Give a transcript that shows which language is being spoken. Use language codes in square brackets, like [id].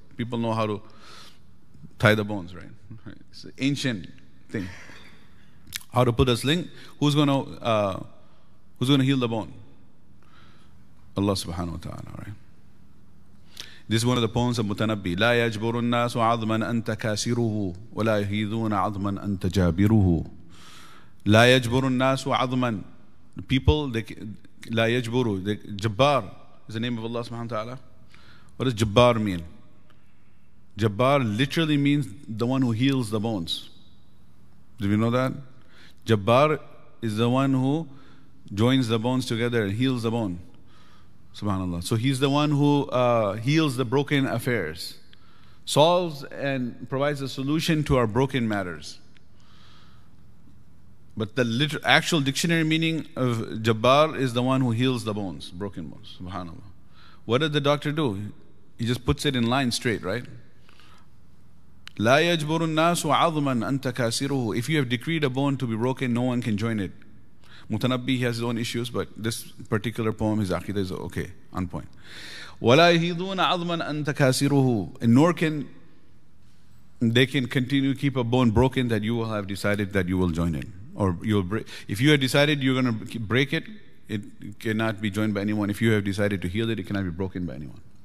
[en] People know how to tie the bones, right? It's an ancient thing. How to put a sling? Who's gonna heal the bone? Allah subhanahu wa ta'ala, right? This is one of the poems of Mutanabbi. [ar] لا يجبر الناس عظما أن تكاسره ولا يهيذون عظما أن تجابره. لا يجبر الناس عظما. People, لا يجبر. [en] Jabbar is the name of Allah subhanahu wa ta'ala. What does Jabbar mean? Jabbar literally means the one who heals the bones. Did we know that? Jabbar is the one who joins the bones together and heals the bone. Subhanallah. So he's the one who heals the broken affairs, solves and provides a solution to our broken matters. But the actual dictionary meaning of Jabbar is the one who heals the bones, broken bones. Subhanallah. What did the doctor do? He just puts it in line straight, right? [ar] لا يجبر الناس عظما أن تكاسره. [en] If you have decreed a bone to be broken, no one can join it. Mutanabbi, he has his own issues, but this particular poem, his aqidah is okay, on point. [ar] ولا يهيذون عظما أن تكاسره. [en] And nor can they can continue to keep a bone broken that you will have decided that you will join it. Or you'll break. If you have decided you're going to break it, it cannot be joined by anyone. If you have decided to heal it, it cannot be broken by anyone.